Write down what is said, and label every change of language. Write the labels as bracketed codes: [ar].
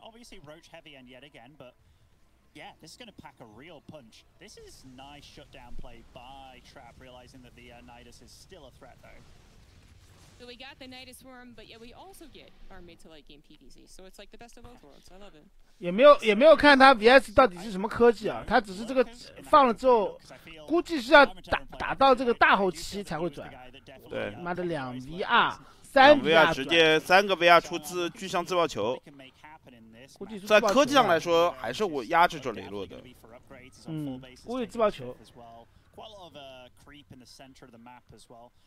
[en] Obviously, Roach heavy end yet again, but yeah, this is going to pack a real punch. This is nice shutdown play by Trap, realizing that the Nidus is still a threat, though. So we got the Nidus for him, but yeah, we also get our mid to late game PVZ. So it's like the best of both worlds. I love it. [zh] 也没有看他 VS 到底是什么科技啊，他只是这个放了之后，估计是要打到这个大后期才会转。对，妈的两 VR 三 VR 直接三个 VR 出自巨像自爆球，估计在科技上来说还是我压制着雷洛的。嗯，估计自爆球。 [en] Quite a lot of a creep in the center of the map as well.